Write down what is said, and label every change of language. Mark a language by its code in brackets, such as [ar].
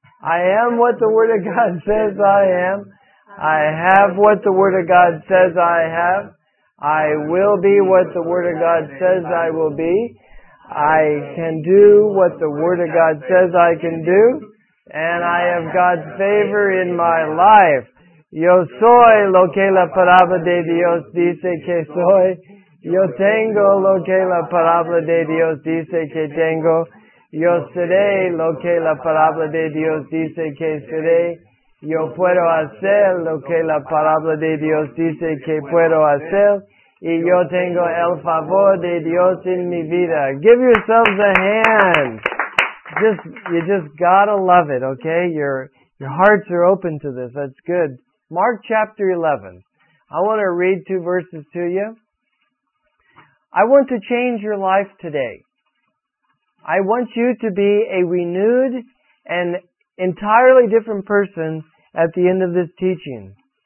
[en] I am what the Word of God says I am. I have what the Word of God says I have. I will be what the Word of God says I will be. I can do what the Word of God says I can do. And I have God's favor in my life. [es] Yo soy lo que la palabra de Dios dice que soy. Yo tengo lo que la palabra de Dios dice que tengo. Yo seré lo que la palabra de Dios dice que seré. Yo puedo hacer lo que la palabra de Dios dice que puedo hacer. Y yo tengo el favor de Dios en mi vida. [en] Give yourselves a hand. You just gotta love it, okay? Your hearts are open to this. That's good. Mark chapter 11. I want to read two verses to you. I want to change your life today. I want you to be a renewed and entirely different person at the end of this teaching.